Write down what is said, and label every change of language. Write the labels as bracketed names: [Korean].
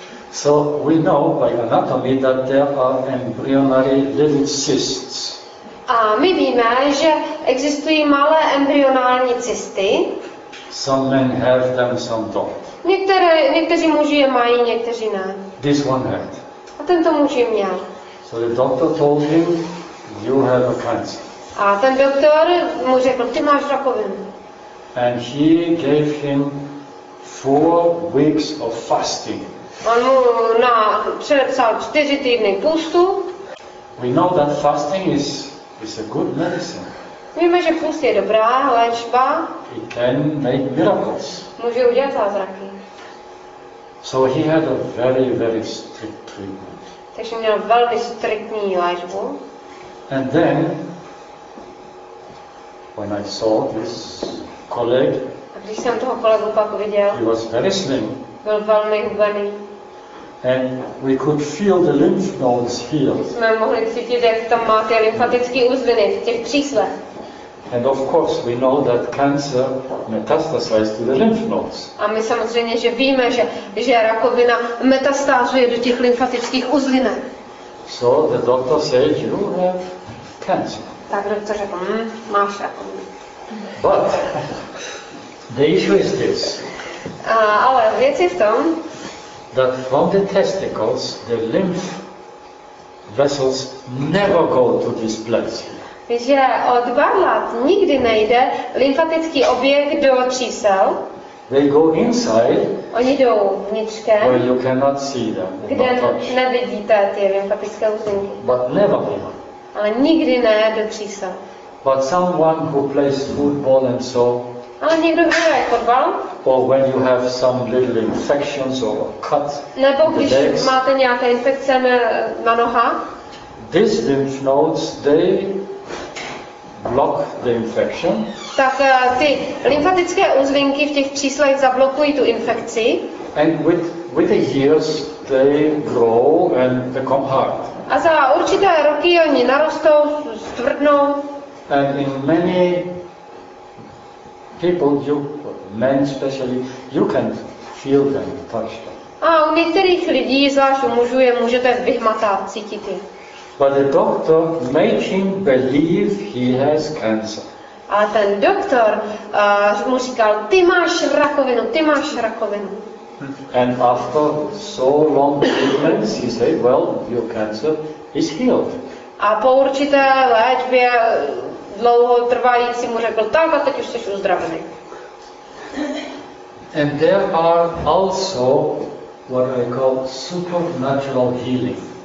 [English] So we know by anatomy that there are embryonary little cysts. [Czech] A my víme, že existují malé embryonální cysty. [English] Some men have them, some don't. [Czech] Někteří muži je mají, někteří ne. [English] This one had. [Czech] A tento muž je měl. [English] So the doctor told him, you have a cancer. [Czech] A ten doktor mu řekl, ty máš rakovinu. [English] And he gave him 4 weeks of fasting. [Czech] On mu předepsal 4 týdny půstu. [English] We know that fasting is a good medicine. [Czech] Víme, že půst je dobrá léčba. [English] It can make miracles. [Czech] Může udělat zázraky. [English] So he had a very, very strict treatment. [Czech] Takže měl velmi striktní léčbu. [English] And then, when I saw this colleague, [Czech] a když jsem toho kolegu pak viděl, [English] he was very slim. [Czech] Byl velmi hubený. [English] And we could feel the lymph nodes here. [Czech] Jsme mohli cítit, jak tam má ty lymfatické uzliny v těch příslech. [English] And of course we know that cancer metastasizes to the lymph nodes. [Czech] A my samozřejmě, že víme, že rakovina metastázuje do těch lymfatických uzlin. [English] So the doctor said, you have cancer. [Czech] Tak doktor řekl, máš rakovinu. [English] But the issue is this. [Czech] Ale věc je v tom, [English] that from the testicles the lymph vessels never go to this place. [Czech] Že od varlat nikdy nejde lymfatický oběh do třísel. [English] They go inside. [Czech] Oni jdou vnitřkem. [English] Where you cannot see them. [Czech] Kde nevidíte ty lymfatické uzlinky. [English] But never here. [Czech] Ale nikdy ne do třísel. [English] But someone who plays football and so. [Czech] Ale někdo hraje fotbal. [English] Or when you have some little infections or cuts. [Czech] Nebo když máte nějaké infekce na noha. [English] These lymph nodes, they block the infection. [Czech] Tak ty lymfatické uzlinky v těch příslech zablokují tu infekci. [English] And with the years they grow and become hard. [Czech] A za určité roky oni narostou, stvrdnou. [English] And in many people, you men especially, you can feel them, touch them. [Czech] A u některých lidí, zvlášť u mužů, je můžete vyhmatat, cítit je. [English] But the doctor made him believe he has cancer. [Czech] Ale ten doktor mu říkal, ty máš rakovinu, ty máš rakovinu. [English] And after so long treatments, he said, well, your cancer is healed. [Czech] A po určité léčbě dlouho trvající mu řekl, tak a teď už jsi uzdravený. [English] And there are also what I call supernatural healing.